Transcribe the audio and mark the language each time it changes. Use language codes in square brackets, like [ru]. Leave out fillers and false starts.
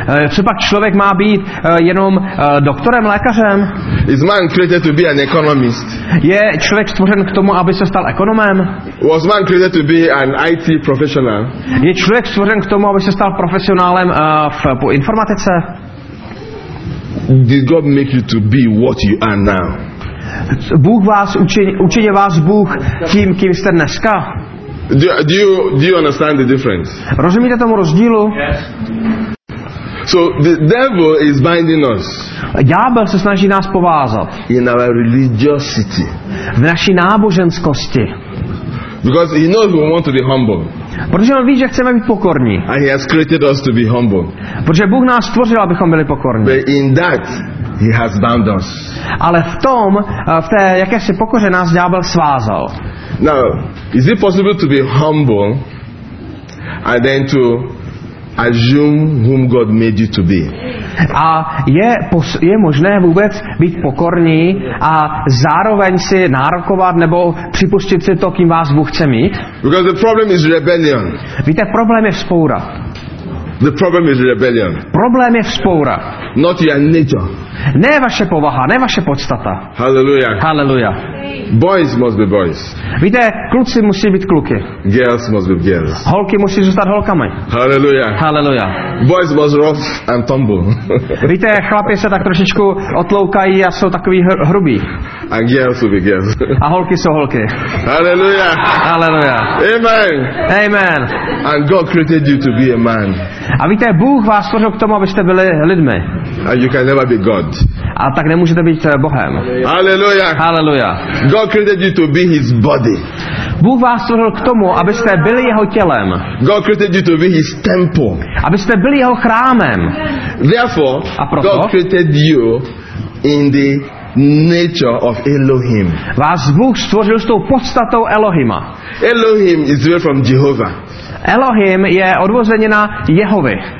[cs] Co pak člověk má být jenom doktorem, lékařem? [en] Is man created to be an economist? [cs] Je člověk stvořen k tomu, aby se stal ekonomem? [en] Was man created to be an IT professional? [cs] Je člověk stvořen k tomu, aby se stal profesionálem po informatice? [en] Did God make you to be what you are now? [cs] Bůh vás učinil vás Bůh tím, kým jste dneska. [en] Do you understand the difference? [cs] Rozumíte tomu rozdílu? [en] So the devil is binding us. [cs] Ďábel se snaží nás povázat. [en] In our religiosity. [cs] V naší náboženskosti. [en] Because he knows we want to be humble. [cs] Protože on ví, že chceme být pokorní. [en] And he has created us to be humble. [cs] Protože Bůh nás stvořil, abychom byli pokorní. [en] But in that he has bound us. [cs] Ale v tom, v té jakési pokoře nás ďábel svázal. [en] Now, is it possible to be humble and then to assume whom God made you to be? [cs] A je možné vůbec být pokorní a zároveň si nárokovat nebo připustit si to, kým vás Bůh chce mít? [en] Because the problem is rebellion. [cs] Víte, problém je vzpoura. [en] The problem is rebellion. [cs] Problém je vzpoura. [en] Not your nature. [cs] Ne vaše povaha, ne vaše podstata. Hallelujah. Hallelujah. [en] Boys must be boys. [cs] Víte, kluci musí být kluky. [en] Girls must be girls. [cs] Holky musí zůstat holkami. Hallelujah. Hallelujah. [en] Boys must rough and tumble. [cs] Víte, chlapi se tak trošičku otloukají a jsou takový hrubí. [en] And girls will be girls. [cs] A holky jsou holky. Hallelujah. Hallelujah. Amen. Amen. [en] And God created you to be a man. [cs] A víte, Bůh vás stvořil k tomu, abyste byli lidmi. [en] And you can never be God. [cs] A tak nemůžete být Bohem. Hallelujah. Hallelujah. [en] God created you to be his body. [cs] Bůh vás stvořil k tomu, abyste byli jeho tělem. [en] God created you to be his temple. [cs] Abyste byli jeho chrámem. [en] Therefore, [cs] a proto, [en] God created you in the nature of Elohim. [cs] Vás Bůh stvořil s tou podstatou Elohima. [en] Elohim is derived from Jehovah. [cs] Elohim je odvozeně na Jehovy.